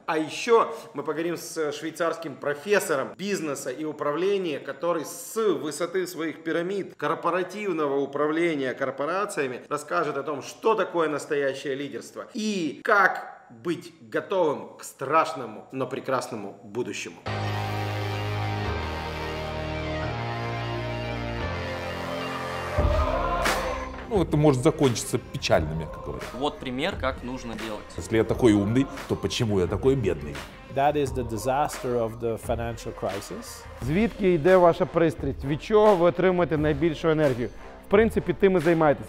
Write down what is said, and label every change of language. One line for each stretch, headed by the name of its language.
Russian: А еще мы поговорим с швейцарским профессором бизнеса и управления, который с высоты своих пирамид корпоративного управления корпорациями расскажет о том, что такое настоящее лидерство и как быть готовым к страшному, но прекрасному будущему. Ну, это может закончиться печально, мягко говоря. Вот пример, как нужно делать. Если я такой умный, то почему я такой бедный?
English: That is the disaster of the financial crisis.
Ukrainian: Звідки йде ваша пристрасть? Від чого ви отримуєте найбільшу енергію? В принципі, тим і займаєтесь.